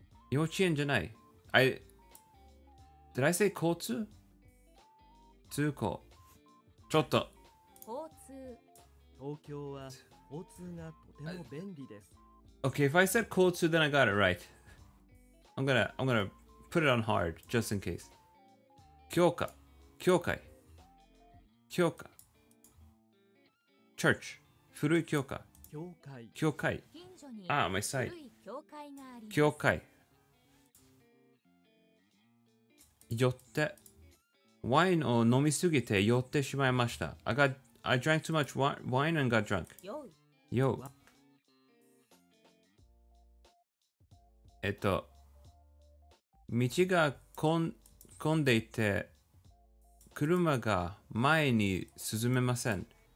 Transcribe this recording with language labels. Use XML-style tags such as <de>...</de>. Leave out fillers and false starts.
<ja>幼稚園じゃない。</ja> <en>Did I say</en> <ja>交通?通行。ちょっと。交通。東京は交通がとても便利です。</ja> <en>Okay, if I said 交通, then I got it right. I'm gonna put it on hard, just in case.</en> <ja>教科。教会。教科。Church. 古い教科。教会。教会。近所に古い教会があります。教会。酔って、ワインを飲みすぎて酔ってしまいました。</ja> <en>I drank too much wine and got drunk.</en> <ja>酔う。道が混んでいて、車が前に進めません。</ja>